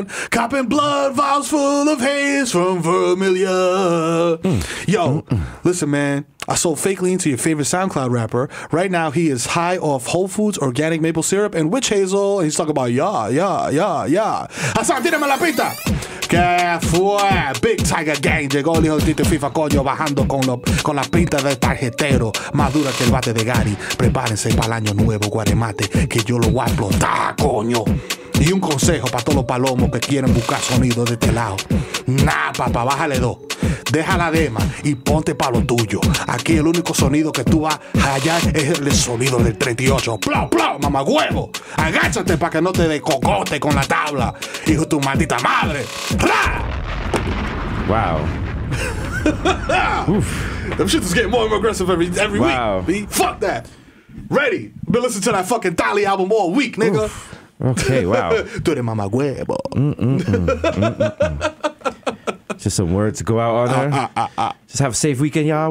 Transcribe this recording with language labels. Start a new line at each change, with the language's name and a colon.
English: Copping blood vials full of haze from Vermilia. Yo, listen, man. I sold fake lean to your favorite SoundCloud rapper. Right now, he is high off Whole Foods organic maple syrup and witch hazel. And he's talking about, yeah.
Spanish: Hasan, tírame la pista. Que fue Big Tiger Gang. Llegó el hijo de Tito FIFA, coño, bajando con la pinta del tarjetero. Más dura que el bate de Gary. Prepárense para el año nuevo, Guaremate, que yo lo voy a explotar, coño. Y un consejo para todos los palomos que quieren buscar sonido de este lado. Nah, papá, bájale dos. Deja la dema y ponte para lo tuyo. Aquí el único sonido que tú vas a hallar es el sonido del 38. ¡Plau, plau, mamagüevo! Agáchate para que no te descogote con la tabla. ¡Hijo de tu maldita madre! ¡Ra! Wow.
English: Them shit is getting more and more aggressive every wow. week. Wow. Fuck that. Ready. Been listening to that fucking Dolly album all week, nigga. Oof. Okay, wow.
Spanish: Tú eres mamagüevo.
English: Just some words to go out on there. Just have a safe weekend, y'all.